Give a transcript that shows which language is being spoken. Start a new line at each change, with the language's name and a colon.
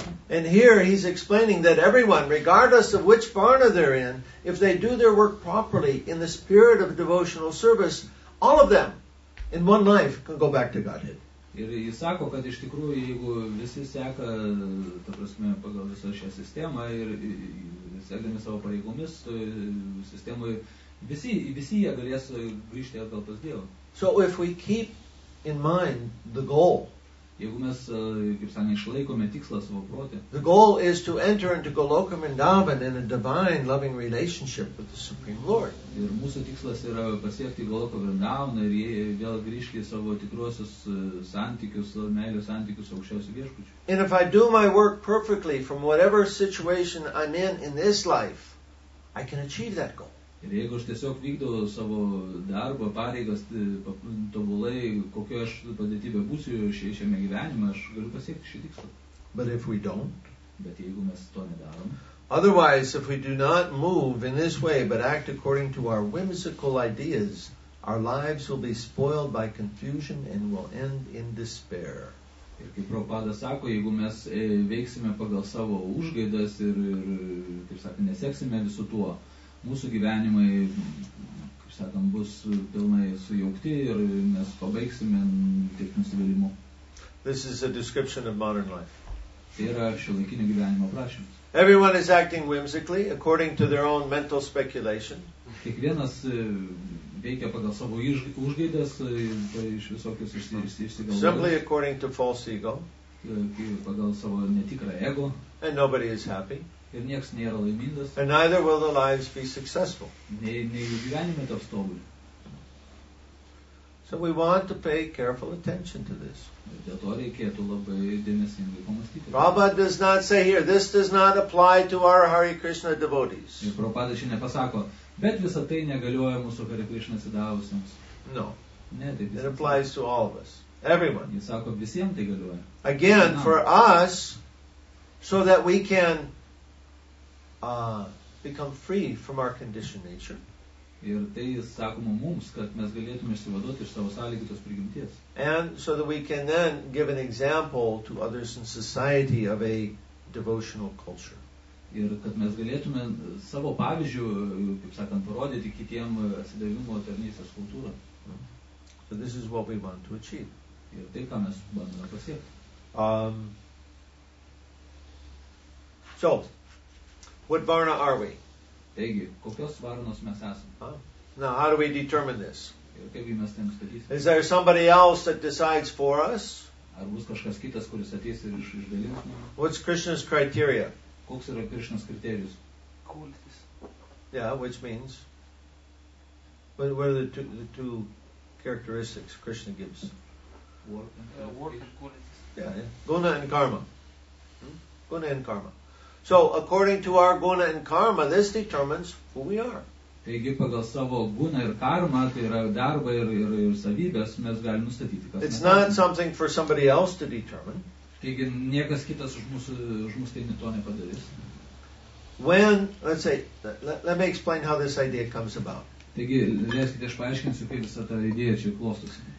English: And here he's explaining that everyone, regardless of which varna they're in, if they do their work properly in the spirit of devotional service, all of them, in one life, can go back to Godhead.
Lithuanian: Ir jis sako, kad iš tikrųjų, jeigu visi seka, ta prasme, pagal visą šią sistemą ir sekdami savo pareigomis sistemoje, visi jie galės grįžti atgal pas Dievą.
English: So if we keep in mind the goal,
Lithuanian: jeigu mes, kaip sakant, išlaikome tikslą savo protė.
English: The goal is to enter into Goloka Vrindavan in a divine loving relationship with the Supreme Lord.
Lithuanian: Ir mūsų tikslas yra pasiekti Goloka Vrindavaną ir vėl grįžti savo tikruosius santykius, meilės santykius su aukščiausiu viešpačiu.
English: And if I do my work perfectly from whatever situation I'm in this life, I can achieve that goal.
Lithuanian: Ir jeigu aš tiesiog vykdau savo darbą, pareigas, tobulai, kokio aš padėtybė būsiu šiame gyvenime, aš galiu pasiekti šį tikslą.
English: But if we don't,
Lithuanian: bet jeigu mes to nedarom.
English: Otherwise, if we do not move in this way, but act according to our whimsical ideas, our lives will be spoiled by confusion and will end in despair.
Lithuanian: Ir kaip Prabhupada sako, jeigu mes veiksime pagal savo užgaidas ir taip sakant, neseksime visu tuo, mūsų gyvenimai, kaip sakom, bus pilnai sujaukti ir mes pabaigsime tiek nusivylimu.
English: This is a description of modern life.
Lithuanian: Tai yra šiuolaikinio gyvenimo aprašymas.
English: Everyone is acting whimsically according to their own mental speculation.
Lithuanian: Kiekvienas veikia pagal savo užgaidas iš visokios išsigalvojimų.
English: Simply according to false ego.
Lithuanian: Pagal savo netikrą ego.
English: And nobody is happy.
Lithuanian: Ir nieks nėra laimingas.
English: And neither will the lives be successful.
Lithuanian: Nei jų gyvenime taps tobuli.
English: So we want to pay careful attention to this.
Lithuanian: Dėl to reikėtų labai dėmesingai pamastyti.
English: Prabhupada does not say here, this does not apply to our Hare Krishna devotees.
Lithuanian: Ir Prabhupada šiandien nepasako, bet visa tai negalioja mūsų Hare Krishna sidavusiems.
English: No.
Lithuanian: Ne, tai
English: it applies to all of us. Everyone.
Lithuanian: Jis sako, visiems tai galioja.
English: Again, for us, so that we can become free from our conditioned nature.
Lithuanian: Ir tai sakoma mums, kad mes galėtume išsivaduoti iš savo sąlygotos prigimties.
English: And so that we can then give an example to others in society of a devotional culture.
Lithuanian: Ir kad mes galėtume savo pavyzdžių, kaip sakant, parodyti kitiem atsidavimo tarnystės kultūrą.
English: So this is what we want to achieve.
Lithuanian: Ir tai, ką mes bandome pasiekti.
English: So, what varna are we?
Lithuanian: Taigi, kokios varnos mes esam?
English: Now, how do we determine this?
Lithuanian: Ir kaip mes tai nustatysim?
English: Is there somebody else that decides for us?
Lithuanian: Ar bus kažkas kitas, kuris ateis ir išdalins mums?
English: What's Krishna's criteria?
Lithuanian: Koks yra Krishna's kriterijus?
English: Qualities. Yeah, which means? What are the two characteristics Krishna gives? Work and qualities. Yeah. Guna and karma. So, according to our guna and karma, this determines who we are.
Lithuanian: Taigi, pagal savo guna ir karma, tai yra darba ir savybės, mes galim nustatyti, kas
English: it's not something for somebody else to determine.
Lithuanian: Taigi niekas kitas už mus tai to nepadarys.
English: When, let's say, let me explain how this idea comes about.
Lithuanian: Taigi, leiskite, aš paaiškinsiu, kaip visa ta idėja čia klostosi.